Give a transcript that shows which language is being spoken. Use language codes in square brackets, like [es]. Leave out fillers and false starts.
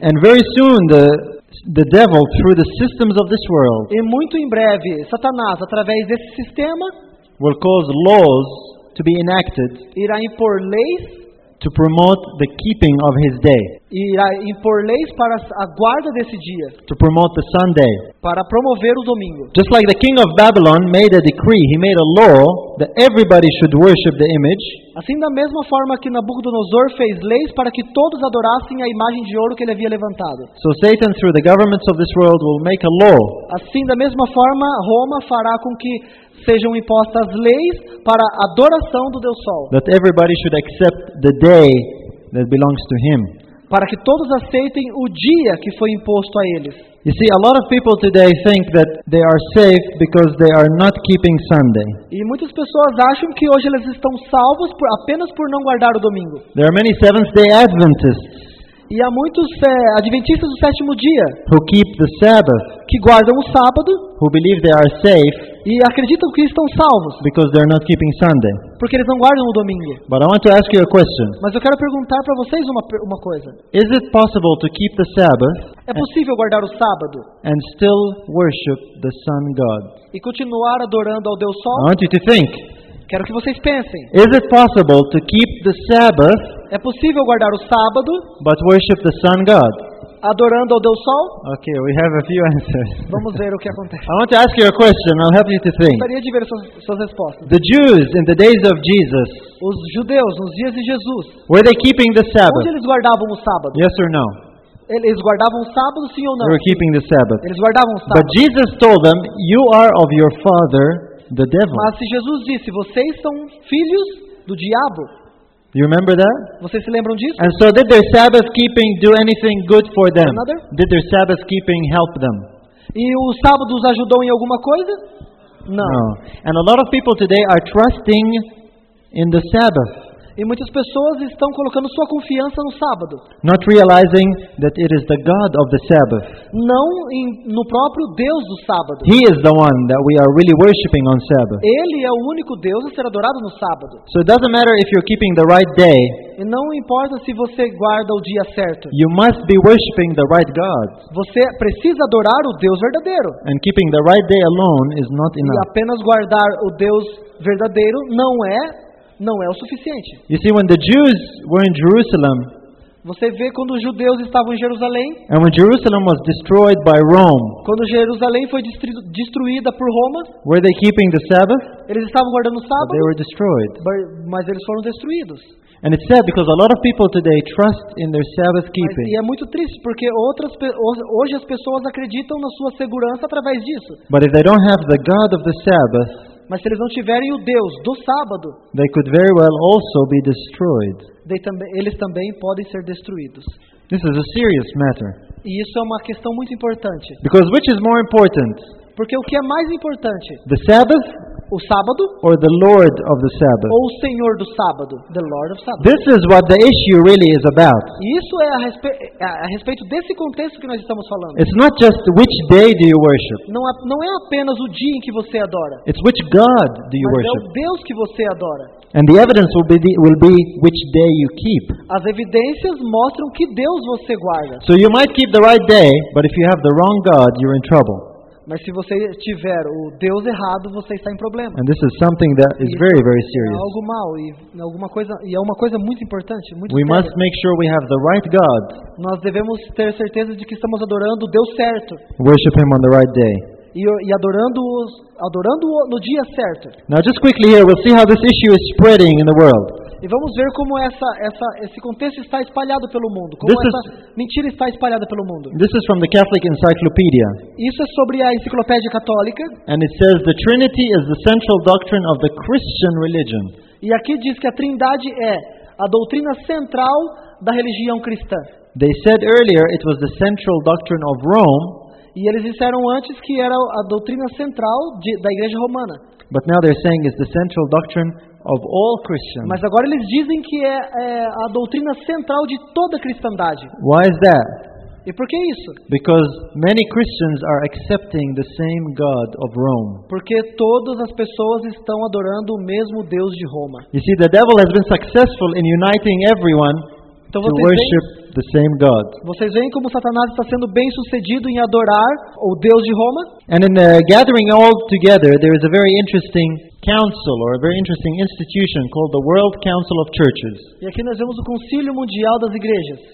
[en] And very soon the devil through the systems of this world. [pt] E muito em breve, Satanás através desse sistema [en] will cause laws to be enacted. [pt] Irá impor leis [en] to promote the keeping of his day. [pt] Irá impor leis para a guarda desse dia. [en] To promote the Sunday. [pt] Para promover o domingo. [en] Just like the king of Babylon made a decree, he made a law that everybody should worship the image. [pt] Assim da mesma forma que Nabucodonosor fez leis para que todos adorassem a imagem de ouro que ele havia levantado. [en] So Satan, through the governments of this world, will make a law. [pt] Assim da mesma forma, Roma fará com que sejam impostas leis para a adoração do Deus Sol. [en] That everybody should accept the day that belongs to him. [pt] Para que todos aceitem o dia que foi imposto a eles. [en] You see, a lot of people today think that they are safe because they are not keeping Sunday. [pt] E muitas pessoas acham que hoje eles estão salvos por, apenas por não guardar o domingo. [en] There are many Seventh-day Adventists. [pt] E há muitos adventistas do sétimo dia. [en] Who keep the Sabbath. [pt] Que guardam o sábado. [en] Who believe they are safe. [pt] E acreditam que estão salvos. [en] Because they're not keeping Sunday. [pt] Porque eles não guardam o domingo. [en] But I want to ask you a question. [pt] Mas eu quero perguntar para vocês uma coisa. [en] Is it possible to keep the Sabbath? [pt] É possível guardar o sábado? [en] And still worship the sun god. [pt] E continuar adorando ao Deus Sol? [en] I want you to think. [pt] Quero que vocês pensem. [en] Is it possible to keep the Sabbath? [pt] É possível guardar o sábado? [en] But worship the sun god. [pt] Adorando ao Deus Sol? [en] Okay, we have a few answers. [pt] Vamos ver o que acontece. [en] I want to ask you a question. I'll help you to think. [pt] Gostaria de ver suas respostas. [en] The Jews in the days of Jesus. [pt] Os judeus nos dias de Jesus. [en] Were they keeping the Sabbath? [pt] Onde eles guardavam o sábado? [en] Yes or no? [pt] Eles guardavam o sábado, sim ou não? [en] They were keeping the Sabbath. [pt] Eles guardavam o sábado. [en] But Jesus told them, "You are of your father, the devil." [pt] Mas se Jesus disse, "Vocês são filhos do diabo." [en] You remember that? [pt] Vocês se lembram disso? [en] And so did their Sabbath keeping do anything good for them? Another? Did their Sabbath keeping help them? [pt] E o sábado os ajudou em alguma coisa? Não. [en] No. And a lot of people today are trusting in the Sabbath. [pt] E muitas pessoas estão colocando sua confiança no sábado. [en] Not realizing that it is the God of the Sabbath. [pt] Não no próprio Deus do sábado. [en] He is the one that we are really worshiping on Sabbath. [pt] Ele é o único Deus a ser adorado no sábado. [en] So it doesn't matter if you're keeping the right day. [pt] E não importa se você guarda o dia certo. [en] You must be worshiping the right God. [pt] Você precisa adorar o Deus verdadeiro. [en] And keeping the right day alone is not enough. [pt] E apenas guardar o Deus verdadeiro não é o suficiente. [en] You see, when the Jews were in Jerusalem, [pt] você vê quando os judeus estavam em Jerusalém. [en] And when Jerusalem was destroyed by Rome, [pt] quando Jerusalém foi destruída por Roma. [en] Were they keeping the Sabbath? [pt] Eles estavam guardando o sábado. [en] They were destroyed. [pt] Mas eles foram destruídos. [en] And it's sad because a lot of people today trust in their Sabbath keeping. [pt] E é muito triste porque hoje as pessoas acreditam na sua segurança através disso. [en] But if they don't have the God of the Sabbath, [pt] mas se eles não tiverem o Deus do sábado, [en] they could very well also be destroyed. [pt] Eles também podem ser destruídos. [en] This is a serious matter. [pt] E isso é uma questão muito importante. [en] Because which is more important? [pt] Porque o que é mais importante? [en] The Sabbath? [pt] O sábado? [en] Or the Lord of the Sabbath? [pt] Ou o Senhor do sábado? [en] The Lord of Sabbath. This is what the issue really is about. [pt] E isso é a respeito desse contexto que nós estamos falando. [en] It's not just which day do you worship. [pt] Não é apenas o dia em que você adora. [en] It's which God do you worship. [pt] Mas é o Deus que você adora. [en] And the evidence will be which day you keep. [pt] As evidências mostram que Deus você guarda. [en] So you might keep the right day, but if you have the wrong God, you're in trouble. [pt] Mas se você tiver o Deus errado, você está em problema. [en] And this is something that is very, very serious. [pt] É algo mal e é uma coisa muito importante, muito séria. [en] We must make sure we have the right God. [pt] Nós devemos ter certeza de que estamos adorando o Deus certo. [en] Worship him on the right day. [pt] E adorando no dia certo. [en] Now just quickly here, we'll see how this issue is spreading in the world. [pt] E vamos ver como esse contexto está espalhado pelo mundo. Como essa mentira está espalhada pelo mundo. [en] This is from the Catholic Encyclopedia. [pt] Isso é sobre a Enciclopédia Católica. [en] And it says the Trinity is the central doctrine of the Christian religion. [pt] E aqui diz que a Trindade é a doutrina central da religião cristã. [en] They said earlier it was the central doctrine of Rome. [pt] E eles disseram antes que era a doutrina central da Igreja Romana. [en] But now they're saying it's the central doctrine of all Christians. [pt] Mas agora eles dizem que é a doutrina central de toda a cristandade. [en] Why is that? [pt] E por que isso? [en] Because many Christians are accepting the same God of Rome. [pt] Porque todas as pessoas estão adorando o mesmo Deus de Roma. [en] You see, the devil has been successful in uniting everyone. [pt] Então, [en] to worship the same God. [pt] Vocês veem como Satanás está sendo bem sucedido em adorar o Deus de Roma? [en] And in the gathering all together, there is a very interesting council or a very interesting institution called the World Council of Churches. [pt] E aqui nós vemos o Conselho Mundial das Igrejas.